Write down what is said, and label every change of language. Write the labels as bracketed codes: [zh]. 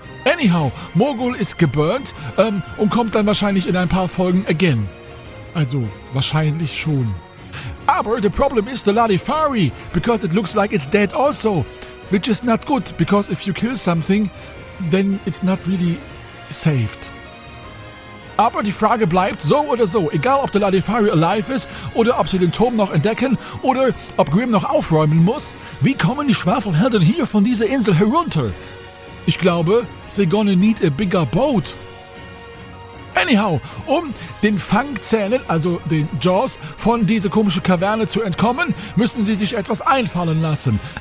[en] Anyhow, [de] Morgul ist geburnt und kommt dann wahrscheinlich in ein paar Folgen again. Also, wahrscheinlich schon. Aber [en] the problem is the Latifari, because it looks like it's dead also. Which is not good, because if you kill something, then it's not really saved. [de] Aber die Frage bleibt so oder so, egal ob der Latifari alive ist oder ob sie den Turm noch entdecken oder ob Grimm noch aufräumen muss, wie kommen die Schwafelhelden hier von dieser Insel herunter? Ich glaube, [en] they're gonna need a bigger boat. Anyhow, [de] um den Fangzähnen, also den Jaws, von dieser komischen Kaverne zu entkommen, müssen sie sich etwas einfallen lassen.